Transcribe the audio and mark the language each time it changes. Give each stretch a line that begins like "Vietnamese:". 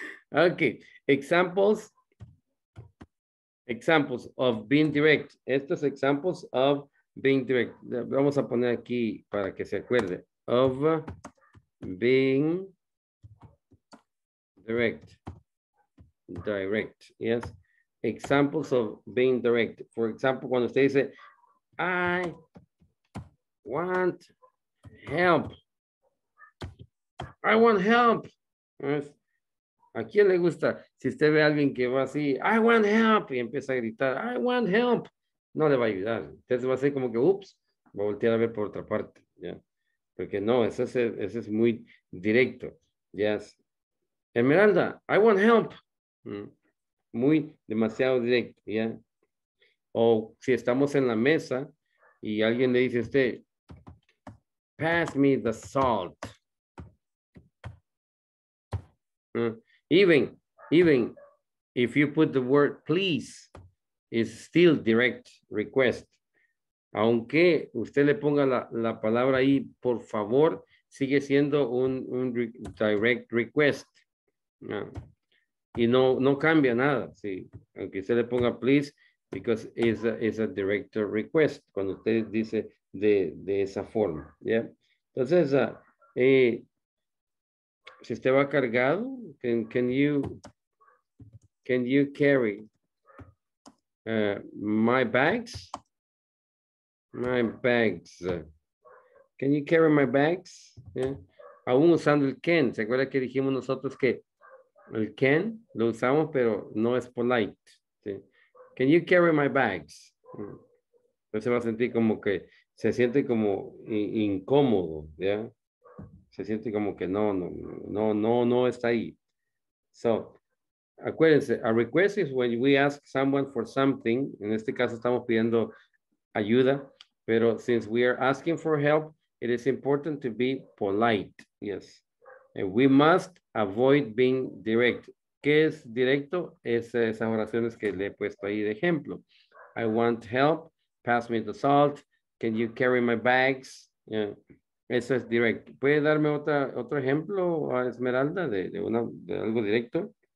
English: Okay, examples of being direct. Estos examples of being direct.
Spanish: Vamos a poner aquí para que se acuerde.
English: Of being direct. Direct, yes. Examples of being direct. For example,
Spanish: cuando usted dice,
English: I want help. I want help. Yes.
Spanish: ¿A quién le gusta? Si usted ve a alguien que va así,
English: I want help,
Spanish: y empieza a gritar, I want help, no le va a ayudar. Entonces va a ser como que, ups, va a voltear a ver por otra parte. Yeah. Porque no, ese es muy directo. Yes. Esmeralda,
English: I want help.
Spanish: Muy demasiado directo. Yeah. O si estamos en la mesa y alguien le dice a usted,
English: pass me the salt. Even if you put the word please, it's still direct request.
Spanish: Aunque usted le ponga la palabra ahí, por favor, sigue siendo direct request. Y no cambia nada, sí. Aunque usted le ponga please,
English: because it's a direct request,
Spanish: cuando usted dice de esa forma. Yeah? Entonces, si usted va cargado,
English: can you carry my bags, can you carry my bags? Yeah.
Spanish: Aún usando el can, ¿se acuerda que dijimos nosotros que el can lo usamos pero no es polite? ¿Sí?
English: Can you carry my bags?
Spanish: Entonces se va a sentir como que se siente como incómodo, ¿ya? Yeah? Se siente como que no está ahí.
English: So, acuérdense, a request is when we ask someone for something.
Spanish: En este caso estamos pidiendo ayuda, pero
English: since we are asking for help, It is important to be polite. Yes. And we must avoid being direct.
Spanish: ¿Qué es directo? Es esas oraciones que le he puesto ahí de ejemplo.
English: I want help. Pass me the salt. Can you carry my bags? Yeah. Eso es directo.
Spanish: ¿Puede darme otro ejemplo, a Esmeralda, de algo directo?